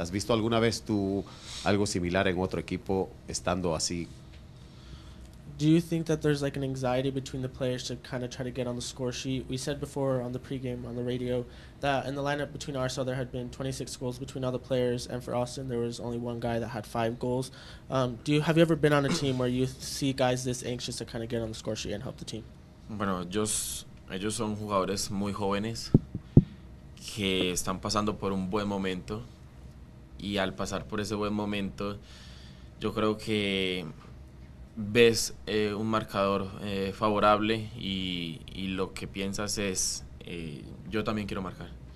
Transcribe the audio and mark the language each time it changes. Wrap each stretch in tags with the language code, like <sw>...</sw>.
<es>¿Has visto alguna vez tú algo similar en otro equipo estando así?</es> <en>Do you think that there's like an anxiety between the players to kind of try to get on the score sheet? We said before on the pregame on the radio that in the lineup between Arsenal there had been 26 goals between all the players, and for Austin there was only one guy that had 5 goals. Have you ever been on a team where you see guys this anxious to kind of get on the score sheet and help the team?</en> <es>Bueno, ellos son jugadores muy jóvenes que están pasando por un buen momento, y al pasar por ese buen momento yo creo que ves un marcador favorable y lo que piensas es, yo también quiero marcar.</es>